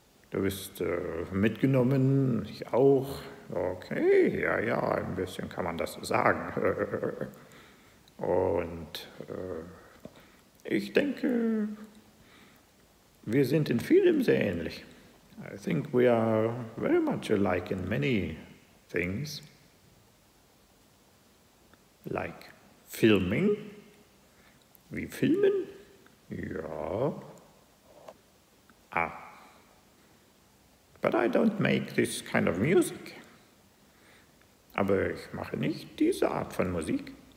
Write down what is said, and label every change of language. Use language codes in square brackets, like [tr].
[de] Du bist mitgenommen, ich auch. Okay, ja, ja, ein bisschen kann man das sagen. Und ich denke, wir sind in vielem sehr ähnlich. [en] I think we are very much alike in many things. Like filming? [de] Wie filmen? Ja. Ah. [en] But I don't make this kind of music. [de] Aber ich mache nicht diese Art von Musik.